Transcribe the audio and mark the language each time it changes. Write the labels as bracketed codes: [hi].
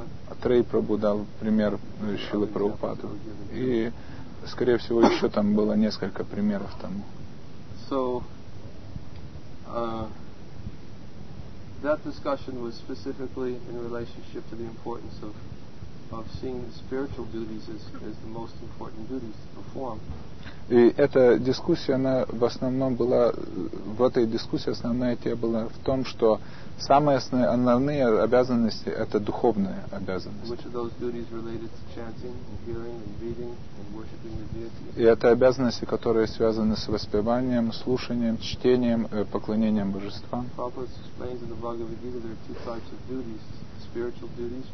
[ru] Атрей Прабху дал пример Шрилы Прабхупады. И, скорее всего, еще там было несколько примеров тому. [en] That discussion was specifically in relationship to the importance of seeing the spiritual duties as the most important duties to perform. [ru] И эта дискуссия, она в основном была, в этой дискуссии основная тема была в том, что самые основные обязанности — это духовные обязанности. [en] Which of those duties related to chanting, and hearing, and reading, and worshiping the deity? [ru] И это обязанности, которые связаны с воспеванием, слушанием, чтением, поклонением божествам. [en] Prabhupada explains in the Bhagavad Gita there are two types of duties.